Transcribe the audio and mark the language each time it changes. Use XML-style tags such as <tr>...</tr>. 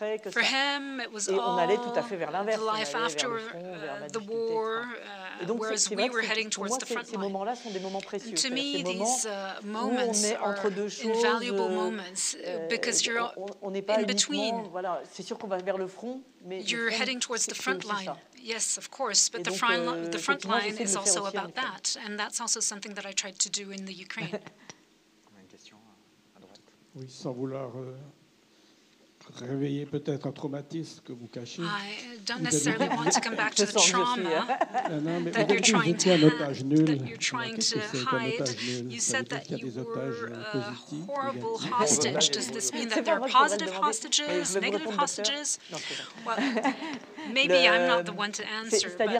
<en>For him, it was all the life after the war, whereas we were heading towards the front line. And to me, moments are invaluable moments because you're in between.</en> <fr>Voilà, c'est sûr qu'on va vers le front, mais</fr> <en>you're heading towards the front line. Yes, of course, but the front line is also about that, and that's also something that I tried to do in the Ukraine.</en> <fr>Oui, sans vouloir réveiller peut-être un traumatisme que vous cachez.</fr> <en>I don't necessarily want to come back to the trauma that you're trying to hide. You said that you were a horrible hostage. Does this mean that there are positive hostages, negative hostages? Well, maybe I'm not the one to answer,</en>